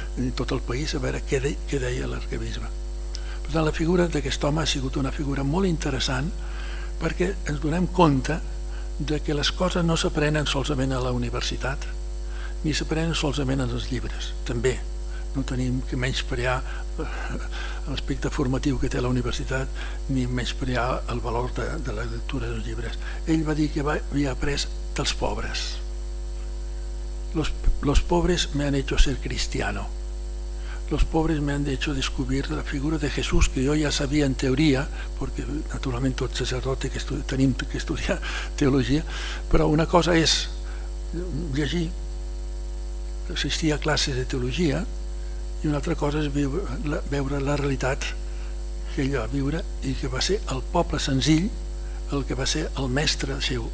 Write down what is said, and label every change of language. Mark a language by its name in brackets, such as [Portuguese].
[Catalan] En tot el país, a veure què deia l'arquebisbe. Per tant, la figura d'aquest home ha sigut una figura molt interessant, perquè ens donem compte de que les coses no s'aprenen solament a la universitat, ni s'aprenen solament en els llibres, també. No tenim que menysprear l'aspecte formatiu que té la universitat, ni menysprear el valor de la lectura dels llibres. Ell va dir que havia après dels pobres. [Spanish] Los pobres me han hecho ser cristiano. Los pobres me han hecho descubrir la figura de Jesús, [Catalan] que jo ja sabia en teoria, perquè naturalment tot sacerdot tenim que estudiar teologia, però una cosa és llegir, assistir a classes de teologia, i una altra cosa és veure la realitat que ell va viure i que va ser el poble senzill el que va ser el mestre seu.